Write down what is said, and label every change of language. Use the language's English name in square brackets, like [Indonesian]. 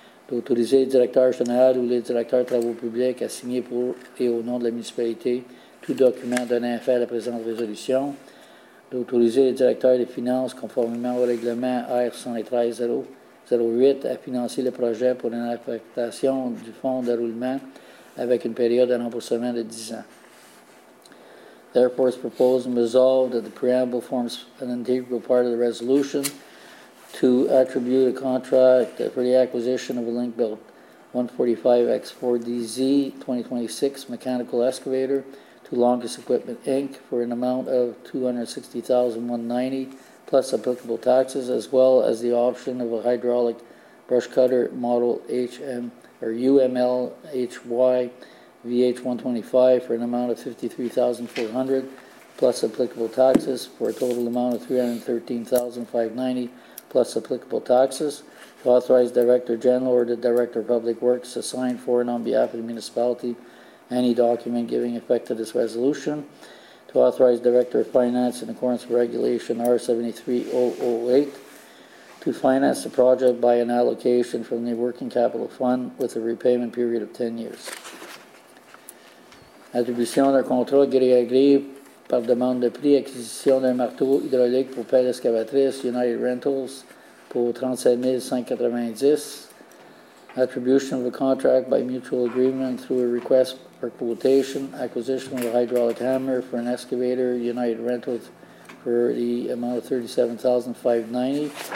[French] D'autoriser le directeur général ou le directeur de travaux publics à signer pour et au nom de la municipalité tout document donnant effet à la présente résolution. D'autoriser le directeur des finances, conformément au règlement R-113-008, à financer le projet pour une affectation du fonds de roulement avec une période de remboursement de 10 ans. [English] Therefore, it's proposed and resolved that the preamble forms an integral part of the resolution to attribute a contract for the acquisition of a Linkbelt 145X4DZ 2026 mechanical excavator to Longus Equipment Inc. for an amount of $260,190 plus applicable taxes, as well as the option of a hydraulic brush cutter model UMLHY VH125 for an amount of $53,400 plus applicable taxes for a total amount of $313,590 plus applicable taxes. To authorize Director General or the Director of Public Works to sign for and on behalf of the municipality any document giving effect to this resolution. To authorize Director of Finance in accordance with Regulation R73008 to finance the project by an allocation from the Working Capital Fund with a repayment period of 10 years. [French] Attribution d'un contrat gré à gré par demande de prix, acquisition d'un marteau hydraulique pour pelle excavatrice, United Rentals, pour 37,590. [English] Attribution of a contract by mutual agreement through a request for quotation, acquisition of a hydraulic hammer for an excavator, United Rentals, for the amount of $37,590.